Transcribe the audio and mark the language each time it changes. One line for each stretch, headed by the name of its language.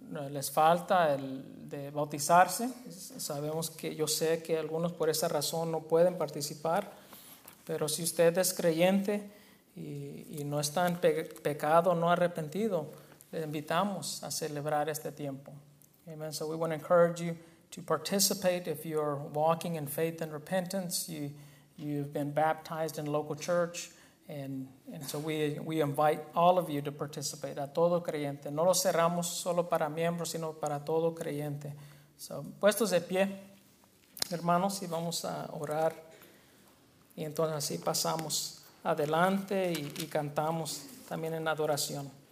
Spanish: les falta el de bautizarse, sabemos que yo sé que algunos por esa razón no pueden participar, pero si usted es creyente, y no está en pecado, no arrepentido, le invitamos a celebrar este tiempo. Amen.
English: So we want to encourage you to participate if you're walking in faith and repentance. You've been baptized in local church. And so we invite all of you to participate.
Spanish: A todo creyente. No lo cerramos solo para miembros, sino para todo creyente. So, puestos de pie, hermanos, y vamos a orar. Y entonces así pasamos adelante y cantamos también en adoración.